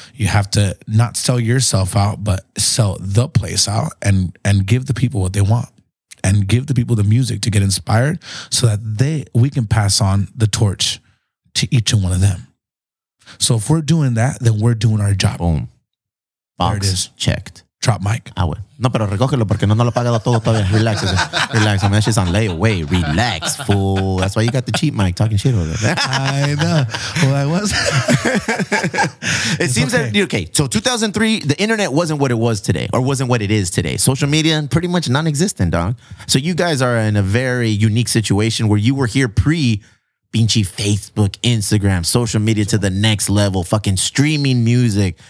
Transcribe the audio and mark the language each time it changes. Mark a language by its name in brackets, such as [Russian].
[English] You have to not sell yourself out, but sell the place out and give the people what they want. And give the people the music to get inspired so that we can pass on the torch to each and one of them. So if we're doing that, then we're doing our job. Boom. Box checked. Trap mic. [Spanish] Ah, bueno. No, pero recógelo porque no lo ha pagado todo todavía. [English] Relax. Relax. I mean, that shit's on layaway. Relax, fool. That's why you got the cheap mic talking shit over there. I know. Well, I was. It seems okay. Okay, so 2003, the internet wasn't what it was today or wasn't what it is today. Social media, pretty much non-existent, dog. So you guys are in a very unique situation where you were here pre-Binchy Facebook, Instagram, social media to the next level, fucking streaming music.